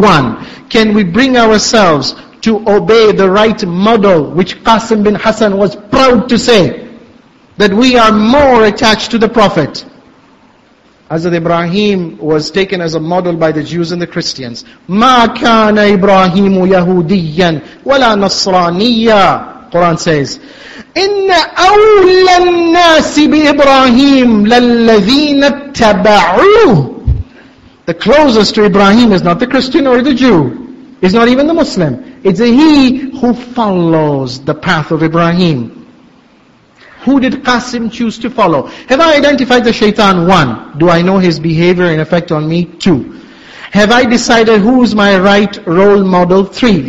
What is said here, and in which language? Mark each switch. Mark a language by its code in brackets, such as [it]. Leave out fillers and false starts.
[en] One, can we bring ourselves to obey the right model, which Qasim bin Hassan was proud to say, that we are more attached to the Prophet. Hazrat Ibrahim was taken as a model by the Jews and the Christians. [ar] مَا كَانَ إِبْرَاهِيمُ يَهُودِيًّا وَلَا نَصْرَانِيًّا. [en] Quran says, [ar] إِنَّ أَوْلَى النَّاسِ بِإِبْرَاهِيمُ لَلَّذِينَ اتَّبَعُوهُ. [en] The closest to Ibrahim is not the Christian or the Jew. It's not even the Muslim. It's he who follows the path of Ibrahim. Who did Qasim choose to follow? Have I identified the shaitan? One. Do I know his behavior and effect on me? Two. Have I decided who is my right role model? Three.